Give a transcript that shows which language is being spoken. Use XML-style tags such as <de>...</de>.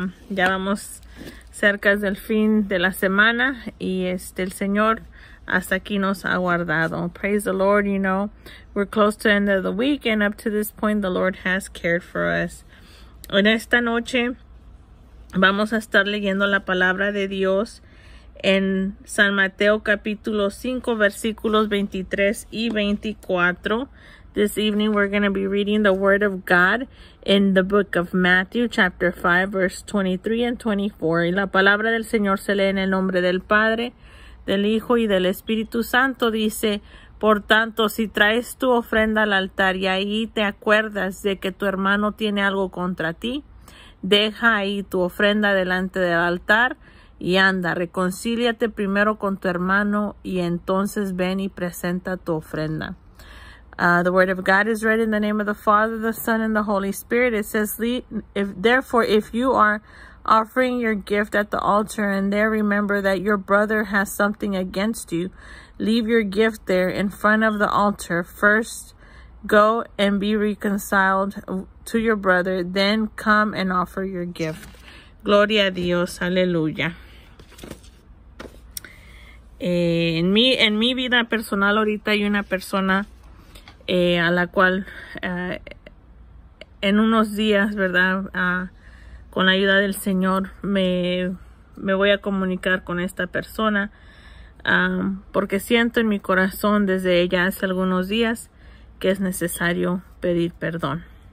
<es>Ya vamos cerca del fin de la semana y el Señor hasta aquí nos ha guardado.</es> <en>Praise the Lord, you know. We're close to the end of the week, and up to this point, the Lord has cared for us.</en> <es>En esta noche vamos a estar leyendo la palabra de Dios en San Mateo capítulo 5, versículos 23 y 24.</es> <en>This evening we're going to be reading the word of God in the book of Matthew chapter 5, verse 23 and 24.</en> <es>Y la palabra del Señor se lee en el nombre del Padre, del Hijo y del Espíritu Santo. Dice, por tanto, si traes tu ofrenda al altar y ahí te acuerdas de que tu hermano tiene algo contra ti, deja ahí tu ofrenda delante del altar y anda, reconcíliate primero con tu hermano y entonces ven y presenta tu ofrenda.</es> <en>The word of God is read in the name of the Father, the Son, and the Holy Spirit. It says, therefore, if you are offering your gift at the altar and there remember that your brother has something against you, leave your gift there in front of the altar. First, go and be reconciled to your brother, then come and offer your gift.</en> <es>Gloria a Dios, aleluya. En mi vida personal ahorita hay una persona a la cual en unos días, ¿verdad? Con la ayuda del Señor me voy a comunicar con esta persona porque siento en mi corazón desde ya hace algunos días que es necesario pedir perdón.</es>